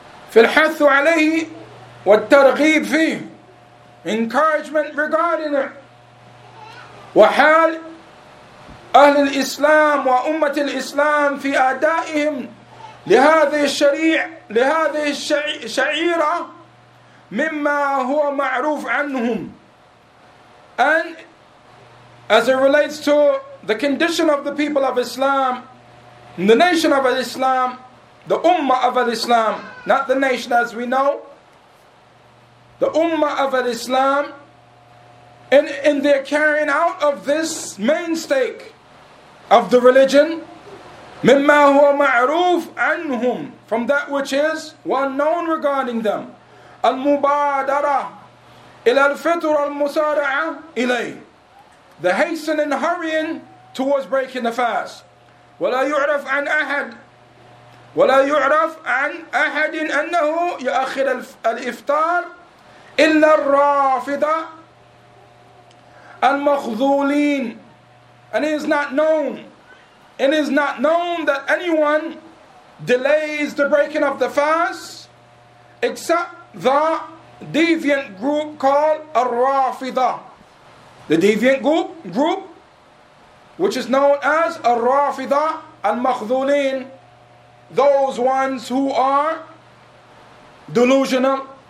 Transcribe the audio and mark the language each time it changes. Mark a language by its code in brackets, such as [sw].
[ar] fil hathu alayhi wa targhib fi, [en] encouragement regarding it, [ar] wa hal ahl al-islam wa ummat al-islam fi adaihim لهذه الشريعة لهذه الشعيرة مما هو معروف عنهم. [en] And as it relates to the condition of the people of Islam, the nation of Islam, the Ummah of Islam, not the nation as we know, the Ummah of Islam, in their carrying out of this main stake of the religion, [ar] مما هو معروف عنهم, [en] from that which is well known regarding them, [ar] المبادرة إلى الفطر المسارعة إليه, [en] the hastening and hurrying towards breaking the fast. [ar] ولا يعرف عن أحد ولا يعرف عن أحد أنه يأخر الإفطار إلا الرافضة المخذولين. [en] And it is not known, it is not known that anyone delays the breaking of the fast except the deviant group called Ar-Rafidah. The deviant group which is known as Ar-Rafidah Al-Makhdhulin, those ones who are delusional.